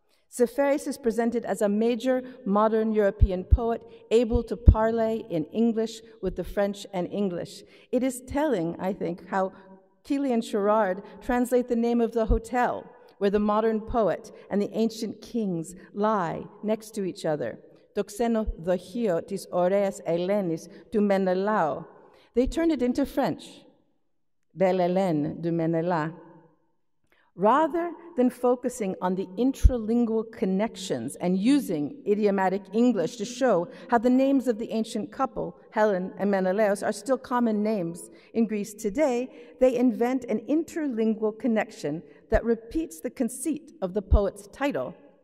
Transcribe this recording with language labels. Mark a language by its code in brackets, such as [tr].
[en] Seferis is presented as a major modern European poet able to parlay in English with the French and English. It is telling, I think, how Keeley and Sherard translate the name of the hotel where the modern poet and the ancient kings lie next to each other. [el] Το ξένο δοχείο της ωραίας Ελένης του Μενελάου. [en] They turn it into French. Belle Hélène du Menelaus. Rather than focusing on the intralingual connections and using idiomatic English to show how the names of the ancient couple, Helen and Menelaus, are still common names in Greece today, they invent an interlingual connection that repeats the conceit of the poet's title.